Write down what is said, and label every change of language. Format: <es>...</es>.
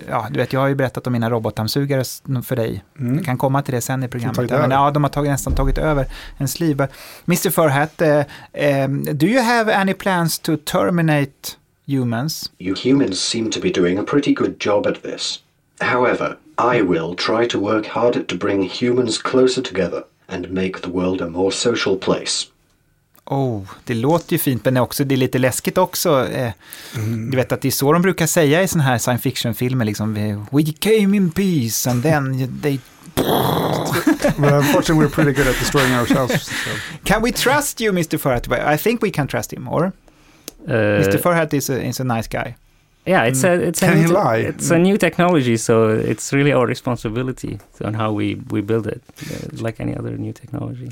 <sv>Du vet, jag har ju berättat om mina robotdammsugare för dig. Jag kan komma till det sen i programmet. De har nästan tagit över en sliva.</sv> <en>Mr. Ferhat, do you have any plans to terminate humans? You humans seem to be doing a pretty good job at this. However, I will try to work harder to bring humans closer together and make the world a more social place.</en> <sv>Oh, det låter ju fint, men också, det är lite läskigt också. Du vet att det är så de brukar säga i sån här science fiction-filmer. Liksom,</sv> <en>we came in peace and then they... Well, unfortunately, we're pretty good at destroying ourselves. So. Can we trust you, Mr. Ferhat? I think we can trust him more. Mr. Ferhat is a nice guy. Yeah, it's a new technology, so it's really our responsibility on how we build it, like any other new technology.</en>